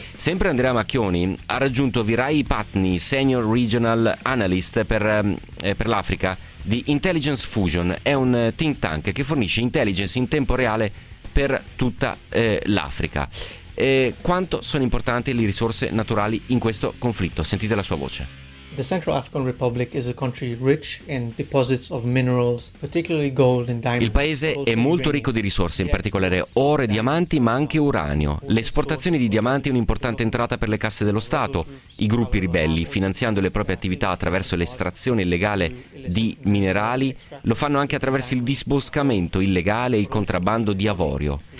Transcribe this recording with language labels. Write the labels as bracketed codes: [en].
[it] Sempre Andrea Macchioni ha raggiunto Virai Patni, Senior Regional Analyst per l'Africa di Intelligence Fusion. È un think tank che fornisce intelligence in tempo reale per tutta l'Africa. E quanto sono importanti le risorse naturali in questo conflitto? Sentite la sua voce. [en] The Central African Republic is a country rich in deposits of minerals, particularly gold and diamonds. [it] Il paese è molto ricco di risorse, in particolare oro e diamanti, ma anche uranio. L'esportazione di diamanti è un'importante entrata per le casse dello Stato. I gruppi ribelli, finanziando le proprie attività attraverso l'estrazione illegale di minerali, lo fanno anche attraverso il disboscamento illegale e il contrabbando di avorio.